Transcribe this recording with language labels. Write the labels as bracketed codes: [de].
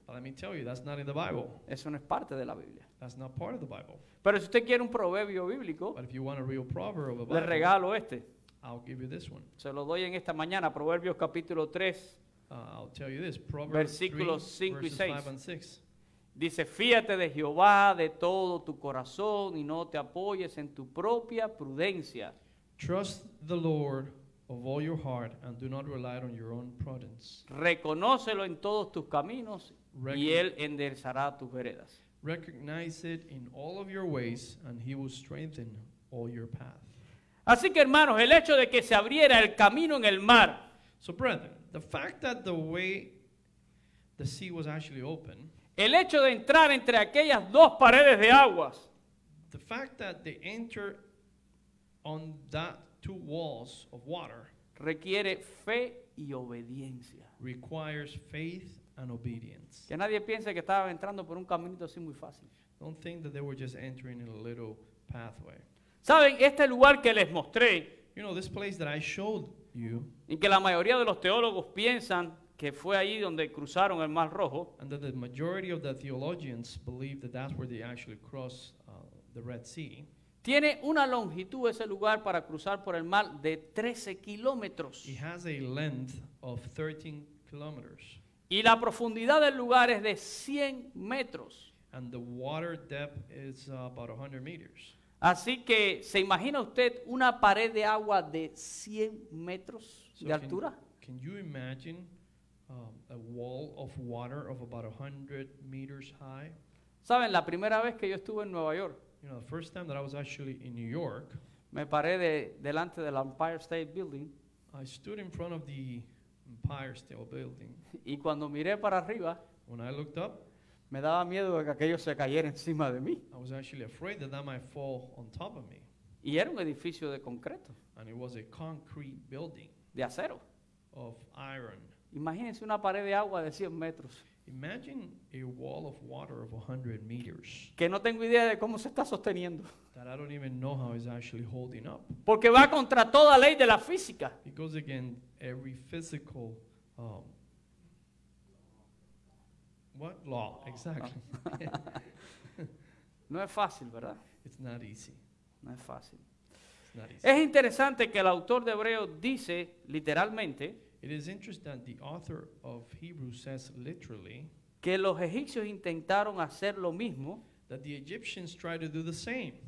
[en] But let me tell you, that's not in the Bible. [es] Eso no es parte de la Biblia. [en] That's not part of the Bible. [es] Pero si usted quiere un proverbio bíblico, [en] but if you want a real proverb of the [es] Bible, le regalo este. [en] I'll give you this one. [es] Se lo doy en esta mañana, Proverbios capítulo 3. [en] I'll tell you this, Proverbs 3:5-6. [es] Dice, fíate de Jehová de todo tu corazón y no te apoyes en tu propia prudencia. [en] Trust the Lord of all your heart and do not rely on your own prudence. [es] Reconócelo en todos tus caminos y Él enderezará tus veredas. [en] Recognize it in all of your ways and He will strengthen all your path. [es] Así que hermanos, el hecho de que se abriera el camino en el mar. [en] So brethren, the fact that the way the sea was actually open, [es] el hecho de entrar entre aquellas dos paredes de aguas, [en] the fact that they enter on that two walls of water, [es] requiere fe y obediencia. [en] Requires faith and obedience. [es] Que nadie piense que estaban entrando por un caminito así muy fácil. [en] Don't think that they were just entering in a little pathway. [es] ¿Saben? Este lugar que les mostré, [en] you know, this place that I showed you, [es] y que la mayoría de los teólogos piensan que fue ahí donde cruzaron el Mar Rojo, [en] and that the majority of the theologians believe that that's where they actually crossed the Red Sea, [es] tiene una longitud ese lugar para cruzar por el mar de 13 kilómetros. [en] It has a length of 13 kilometers. [es] Y la profundidad del lugar es de 100 metros. [en] And the water depth is about 100 meters. [es] Así que, ¿se imagina usted una pared de agua de 100 metros de altura? [en] Can you imagine a wall of water of about 100 meters high? [es] ¿Saben? La primera vez que yo estuve en Nueva York, [en] you know, the first time that I was actually in New York, [es] me paré delante del Empire State Building. [en] I stood in front of the Empire State Building. [es] Y cuando miré para arriba, [en] when I looked up, [es] me daba miedo de que aquello se cayera encima de mí. [en] I was actually afraid that that might fall on top of me. [es] Y era un edificio de concreto. [en] And it was a concrete building. [es] De acero. [en] Of iron. [es] Imagínense una pared de agua de 100 metros. [en] Imagine a wall of water of 100 meters. [es] Que no tengo idea de cómo se está sosteniendo. [en] That I don't even know how it's actually holding up. [es] Porque va contra toda ley de la física. [en] It goes against every physical what law? Exactly. [es] No es fácil, ¿verdad? [en] It's not easy. [es] No es fácil. [en] It's not easy. [es] Es interesante que el autor de Hebreos dice literalmente, [en] it is interesting that the author of Hebrews says literally, [es] que los egipcios intentaron hacer lo mismo, [en] that the Egyptians tried to do the same,